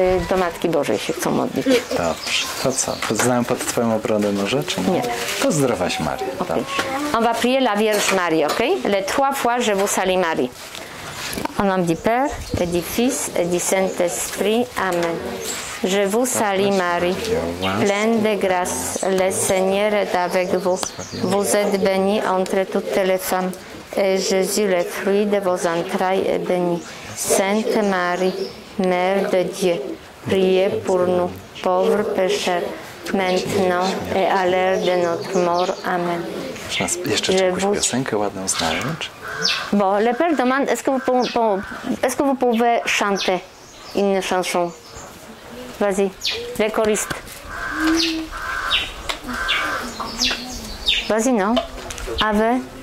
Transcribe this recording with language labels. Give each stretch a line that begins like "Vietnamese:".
Polish: Do Matki Bożej się chcą modlić. Dobrze. To co? Poznają pod Twoją obronę może? Czy nie? Pozdrowaś Marię.
French: Okay. On va prier la Vierge Marie, ok? Les trois fois, je vous salue Marie. Au nom du Père, et du Fils, et du Saint-Esprit. Amen. Je vous salue Marie, pleine de grâce. Le Seigneur est avec vous. Vous êtes bénie entre toutes les femmes. Et Jésus, le fruit de vos entrailles, est béni. Sainte Marie, Mère de Dieu, priez pour nous, pauvres pécheurs, maintenant et à l'heure de notre mort. Amen.
Polish: Jeszcze jakąś piosenkę ładną znają?
French: Bon, le père demande, est-ce que vous pouvez chanter une chanson? Vas-y, les choristes. Vas-y, non? Ave?